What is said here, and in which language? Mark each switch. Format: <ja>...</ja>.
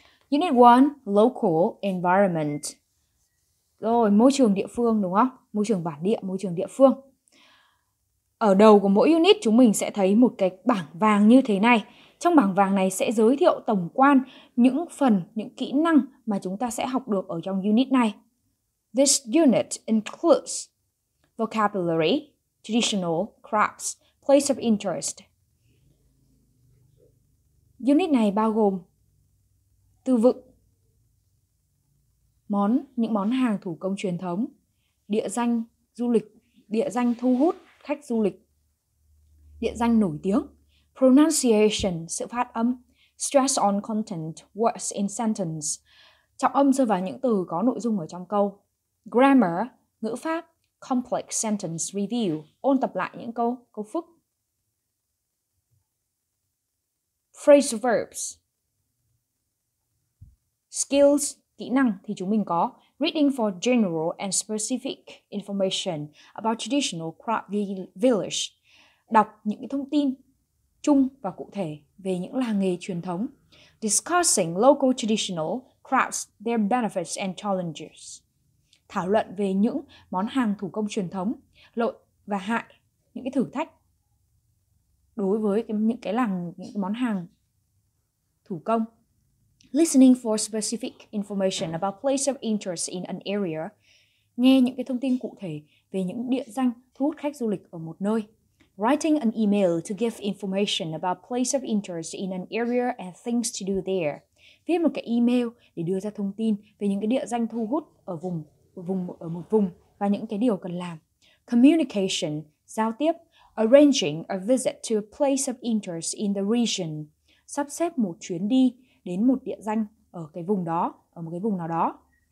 <en>Unit 1, local environment.</en> <vi>Rồi, môi trường địa phương đúng không? Môi trường bản địa, môi trường địa phương. Ở đầu của mỗi unit chúng mình sẽ thấy một cái bảng vàng như thế này. Trong bảng vàng này sẽ giới thiệu tổng quan những phần, những kỹ năng mà chúng ta sẽ học được ở trong unit này.</vi> <en>This unit includes vocabulary, traditional crafts, place of interest.</en> <vi>Unit này bao gồm từ vựng, món, những món hàng thủ công truyền thống, địa danh du lịch, địa danh thu hút khách du lịch, địa danh nổi tiếng,</vi> <en>pronunciation,</en> <vi>sự phát âm,</vi> <en>stress on content, words in sentence,</en> <vi>trọng âm rơi vào những từ có nội dung ở trong câu,</vi> <en>grammar,</en> <vi>ngữ pháp,</vi> <en>complex sentence review,</en> <vi>ôn tập lại những câu, câu phức,</vi> <en>phrase verbs, skills,</en> <vi>kỹ năng thì chúng mình có</vi> <en>reading for general and specific information about traditional crop village.</en> <vi>Đọc những cái thông tin chung và cụ thể về những làng nghề truyền thống.</vi> <en>Discussing local traditional crafts, their benefits and challenges.</en> <vi>Thảo luận về những món hàng thủ công truyền thống, lợi và hại, những cái thử thách đối với những cái làng, những cái món hàng thủ công.</vi> <en>Listening for specific information about place of interest in an area.</en> <vi>Nghe những cái thông tin cụ thể về những địa danh thu hút khách du lịch ở một nơi.</vi> <en>Writing an email to give information about place of interest in an area and things to do there.</en> <vi>Viết một cái email để đưa ra thông tin về những cái địa danh thu hút ở một vùng và những cái điều cần làm.</vi> <en>Communication,</en> <vi>giao tiếp.</vi> <en>Arranging a visit to a place of interest in the region.</en> <vi>Sắp xếp một chuyến đi đến một địa danh ở cái vùng đó, ở một cái vùng nào đó.</vi>